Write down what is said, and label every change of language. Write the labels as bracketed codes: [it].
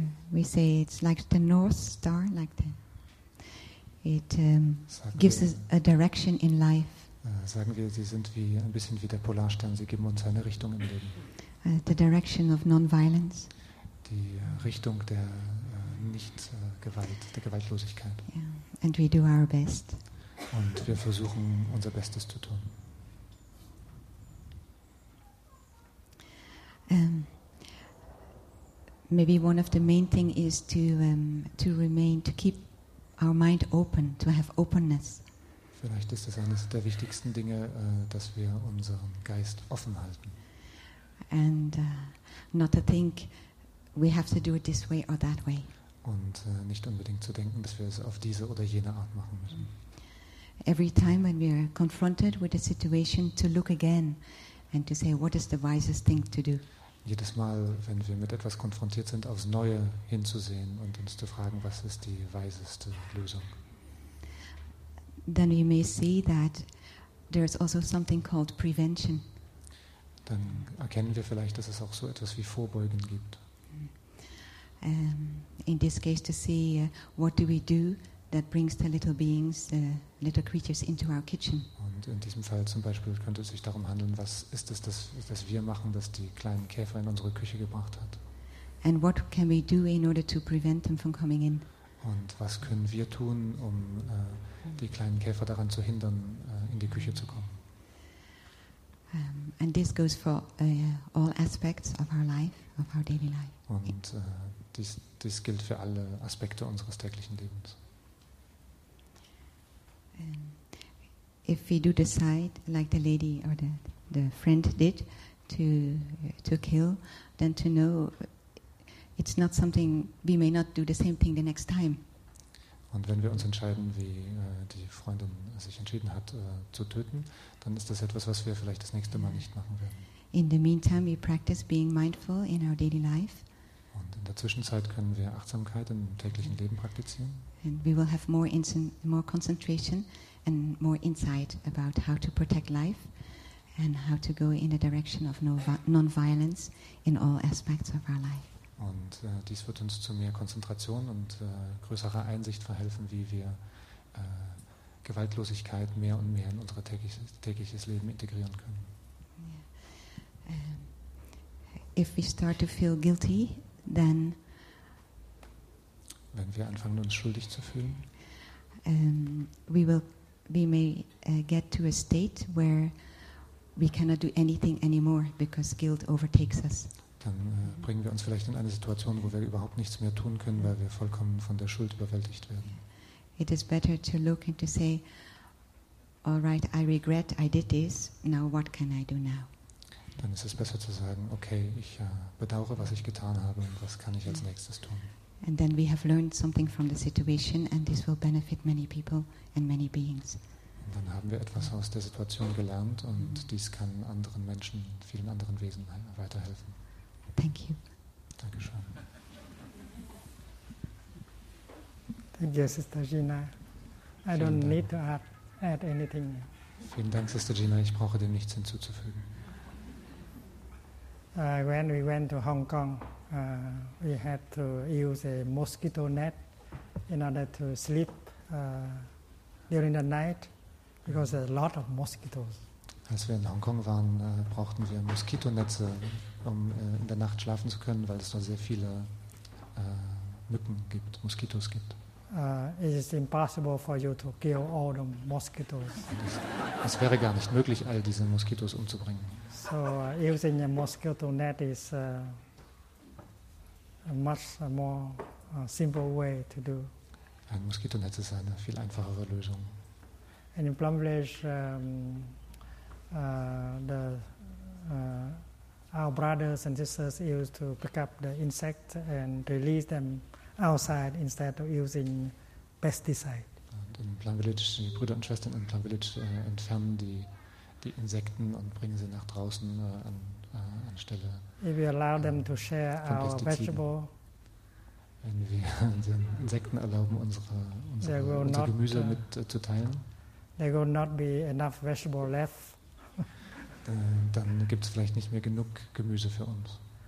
[en] We say it's like the North Star, like the it gives us a direction in life. [de] Sagen wir, sie sind wie ein bisschen wie der Polarstern. Sie geben uns eine Richtung im Leben. [en] The direction of non-violence. [de] Die Richtung der Nicht-Gewalt, der Gewaltlosigkeit. [en] Yeah. And we do our best. [de] Und wir versuchen unser Bestes zu tun. [en] Maybe one of the main thing is to keep our mind open, to have openness. [de] Vielleicht ist das eines der wichtigsten Dinge, dass wir unseren Geist offen halten. [en] And not to think we have to do it this way or that way. [de] Und nicht unbedingt zu denken, dass wir es auf diese oder jene Art machen müssen. [en] Every time when we are confronted with a situation, to look again and to say, what is the wisest thing to do? [de] Jedes Mal, wenn wir mit etwas konfrontiert sind, aufs Neue hinzusehen und uns zu fragen, was ist die weiseste Lösung. [en] Then we may see that there's also something called prevention. [de] Dann erkennen wir vielleicht, dass es auch so etwas wie Vorbeugen gibt. [en] In this case, to see what do we do that brings the little beings, the little creatures into our kitchen. [de] Und in diesem Fall zum Beispiel könnte es sich darum handeln, was ist es, das wir machen, das die kleinen Käfer in unsere Küche gebracht hat. [en] And what can we do in order to prevent them from coming in? [de] Und was können wir tun, um die kleinen Käfer daran zu hindern, in die Küche zu kommen? [en] And this goes for all aspects of our life, of our daily life. [de] Und dies gilt für alle Aspekte unseres täglichen Lebens. [en] If we do decide, like the lady or the friend did, to kill, then to know it's not something we may not do the same thing the next time. [de] Und wenn wir uns entscheiden, wie die Freundin sich entschieden hat, zu töten, dann ist das etwas, was wir vielleicht das nächste Mal nicht machen werden. [en] In the meantime, we practice being mindful in our daily life. [de] Und in der Zwischenzeit können wir Achtsamkeit im täglichen Leben praktizieren. [en] And we will have more concentration and more insight about how to protect life and how to go in the direction of non-violence in all aspects of our life. [de] Und dies wird uns zu mehr Konzentration und größerer Einsicht verhelfen, wie wir Gewaltlosigkeit mehr und mehr in unser tägliches Leben integrieren können. [en] If we start to feel guilty, then [de] wenn wir anfangen, uns schuldig zu fühlen, [en] we may get to a state where we cannot do anything anymore because guilt overtakes us. [de] Dann bringen wir uns vielleicht in eine Situation, wo wir überhaupt nichts mehr tun können, weil wir vollkommen von der Schuld überwältigt werden. [en] It is better to look and to say, all right, I regret I did this, now what can I do now? [de] Dann ist es besser zu sagen, okay, ich bedauere, was ich getan habe und was kann ich als nächstes tun? [en] And then we have learned something from the situation and this will benefit many people and many beings. [de] Und dann haben wir etwas aus der Situation gelernt und dies kann anderen Menschen, vielen anderen Wesen weiterhelfen. [en] Thank you. [de] Dankeschön. [en] Thank you, Sister Gina. I don't need to add anything. [de] Vielen Dank, Sister Gina. Ich brauche dem nichts hinzuzufügen. [en] When we went to Hong Kong, we had to use a mosquito net in order to sleep during the night because there's a lot of mosquitoes. [de] Als wir in Hongkong waren, brauchten wir Moskitonetze, um in der Nacht schlafen zu können, weil es da sehr viele Mücken gibt, Moskitos gibt. [en] It is impossible for you to kill all the mosquitoes. [de] Es wäre gar nicht möglich, all diese Moskitos umzubringen. [en] So using a mosquito net is a much more simple way to do. [de] Ein Moskitonetz ist eine viel einfachere Lösung. [en] And in Plum Village, our brothers and sisters used to pick up the insects and release them outside instead of using pesticide. [de] Und in Plum Village, die Brüder und Schwestern in Plum Village entfernen die Insekten und bringen sie nach draußen anstelle. [en] If we allow them to share our vegetable, [de] wenn wir den Insekten erlauben, unser Gemüse mit zu teilen, [en] there will not be enough vegetable left. [de] Dann gibt es vielleicht nicht mehr genug Gemüse für uns.